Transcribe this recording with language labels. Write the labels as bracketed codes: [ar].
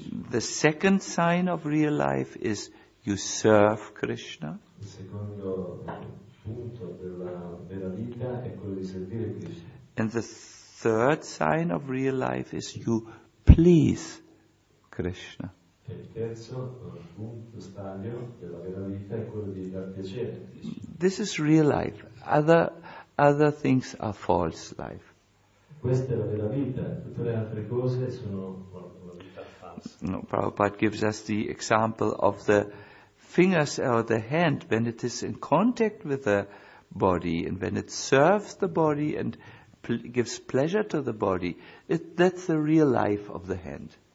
[en] The second sign of real life is you serve Krishna. [it] Il secondo punto della vera vita è quello di servire Krishna. [en] And the third sign of real life is you please Krishna. [it] Il terzo punto stadio della vera vita è quello di dar piacere Krishna. [en] This is real life. Other things are false life. [it] Questa è la vera vita. Tutte le altre cose sono una vita falsa. [en] No, Prabhupada gives us the example of the fingers or the hand, when it is in contact with the body and when it serves the body and gives pleasure to the body, that's the real life of the hand.